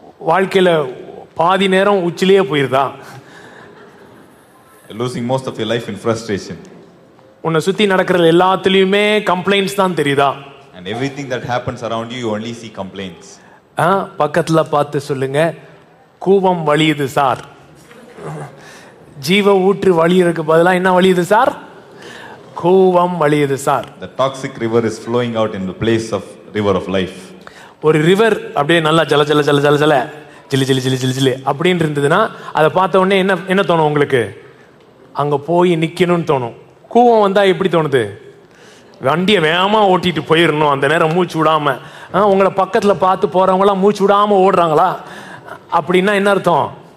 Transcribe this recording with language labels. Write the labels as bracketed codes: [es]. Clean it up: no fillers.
[ta] வாழ்க்கையில பாதி நேரம் உச்சிலேயே போயிருதா? [en] Losing most of your life in frustration. [ta] உன்ன சுத்தி நடக்கிற எல்லாத்துலயுமே கம்ப்ளைன்ட்ஸ் தான் தெரியுதா? [en] And everything that happens around you, you only see complaints. [ta] பக்கத்துல பார்த்து சொல்லுங்க, கூவம் வலியுது சார், ஜீவ ஊற்று வலியிருக்கு பதிலா என்ன வலியுது sir? Cooum வலியுது sir. [en] The toxic river is flowing out in the place of river of life. [ta] ஒரு river அப்படியே நல்லா ஜல ஜல ஜல ஜல ஜல ஜிலி ஜிலி ஜிலி ஜிலி ஜிலி அப்படின்னு இருந்ததுன்னா அதை பார்த்த உடனே என்ன என்ன தோணும் உங்களுக்கு? அங்க போய் நிக்கணும்னு தோணும். கூவம் வந்தா எப்படி தோணுது? வண்டியை வேகமாக ஓட்டிட்டு போயிடணும், அந்த நேரம் மூச்சு விடாம. உங்களை பக்கத்தில் பார்த்து போறவங்களாம் மூச்சு விடாம ஓடுறாங்களா? அப்படின்னா என்ன அர்த்தம்?